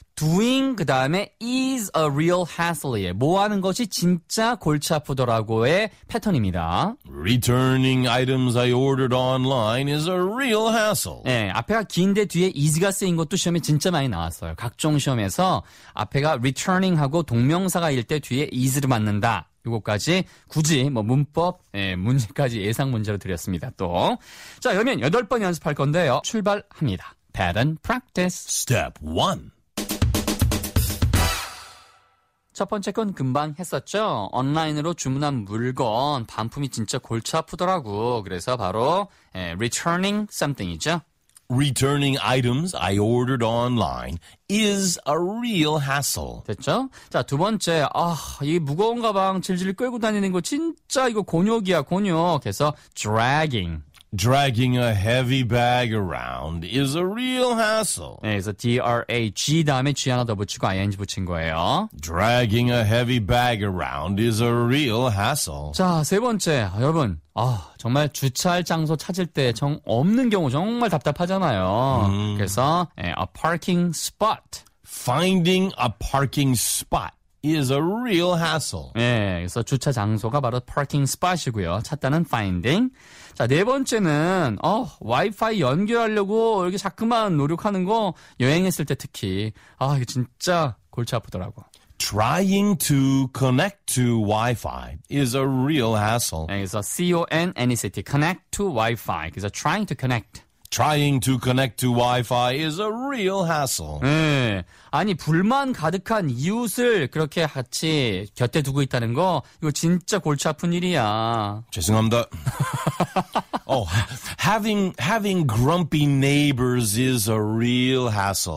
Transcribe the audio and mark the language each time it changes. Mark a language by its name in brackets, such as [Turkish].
[English] Doing [Korean] 그 다음에 [English] is a real hassle. [Korean] 뭐 하는 것이 진짜 골치 아프더라고의 패턴입니다. [English] Returning items I ordered online is a real hassle. [Korean] 네, 앞에가 긴데 뒤에 is가 쓰인 것도 시험에 진짜 많이 나왔어요. 각종 시험에서 앞에가 returning 하고 동명사가 일 때 뒤에 is를 맞는다. 요것까지 굳이 뭐 문법 문제까지 예상 문제로 드렸습니다. 또 자, 그러면 여덟 번 연습할 건데요. 출발합니다. [English] Pattern practice. Step 1. [Korean] 첫 번째 건 금방 했었죠. 온라인으로 주문한 물건 반품이 진짜 골치 아프더라고. 그래서 바로 [English] returning something [Korean] 이죠. [English] Returning items I ordered online is a real hassle. [Korean] 됐죠? 자, 두 번째. 아, 이 무거운 가방 질질 끌고 다니는 거 진짜 이거 곤욕이야, 곤욕. 해서 dragging. [English] Dragging a heavy bag around is a real hassle. [Korean] 네, 그래서 D-R-A-G 다음에 G 하나 더 붙이고 ING 붙인 거예요. [English] Dragging a heavy bag around is a real hassle. [Korean] 자, 세 번째. 여러분, 아, 정말 주차할 장소 찾을 때 정 없는 경우 정말 답답하잖아요. 그래서 [English] a parking spot. Finding a parking spot is a real hassle. [Korean] 네, 그래서 주차 장소가 바로 parking spot이고요. 찾다는 finding. 자, 네 번째는 와이파이 연결하려고 이렇게 자꾸만 노력하는 거 여행했을 때 특히 아, 이게 진짜 골치 아프더라고. [English] Trying to connect to Wi-Fi is a real hassle. [Korean] 네, 그래서 [English] C-O-N-N-E-C-T, connect to Wi-Fi. [Korean] 그래서 [English] trying to connect. Trying to connect to Wi-Fi is a real hassle. [Korean] 네. 아니, 불만 가득한 이웃을 그렇게 같이 곁에 두고 있다는 거, 이거 진짜 골치 아픈 일이야. 죄송합니다. [English] Oh, having grumpy neighbors is a real hassle.